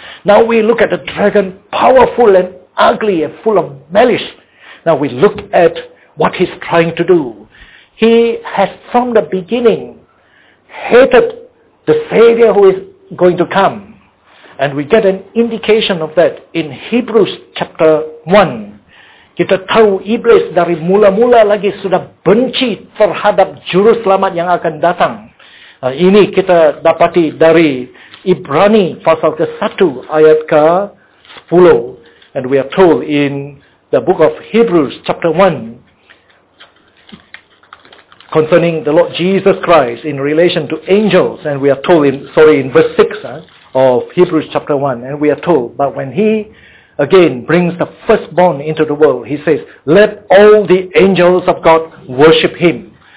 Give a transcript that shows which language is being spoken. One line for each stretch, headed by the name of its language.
English: Now we look at the dragon, powerful and ugly and full of malice. Now we look at what he's trying to do. He has from the beginning hated the Savior who is going to come. And we get an indication of that in Hebrews chapter 1.
Indonesian: Kita tahu iblis dari mula-mula lagi sudah benci terhadap juru selamat yang akan datang. Ini kita dapati dari Ibrani pasal ke-1 ayat ke-10.
English: And we are told in the book of Hebrews chapter 1 concerning the Lord Jesus Christ in relation to angels. And we are told in verse 6 of Hebrews chapter 1. And we are told, but when he again brings the firstborn into the world, he says, let all the angels of God worship him.